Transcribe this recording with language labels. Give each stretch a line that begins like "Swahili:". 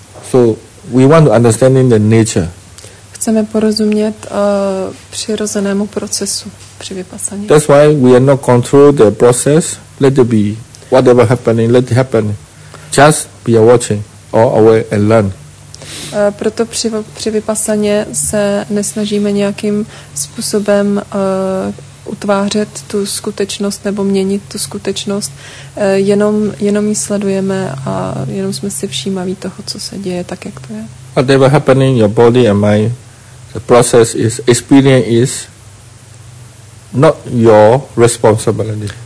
English: So we want to understand the nature.
Czech: Chceme porozumět přirozenému procesu při vipassaně.
English: That's why we are not control the process. Let it be. Whatever happening, let it happen. Just be a watching or aware and learn.
Czech: Proto při vypasaně se nesnažíme nějakým způsobem utvářet tu skutečnost nebo měnit tu skutečnost. Jenom ji sledujeme a jenom jsme si všímaví toho, co se děje, tak jak to je.
English: Whatever happening, your body and mind, the process is, experience is not your responsibility.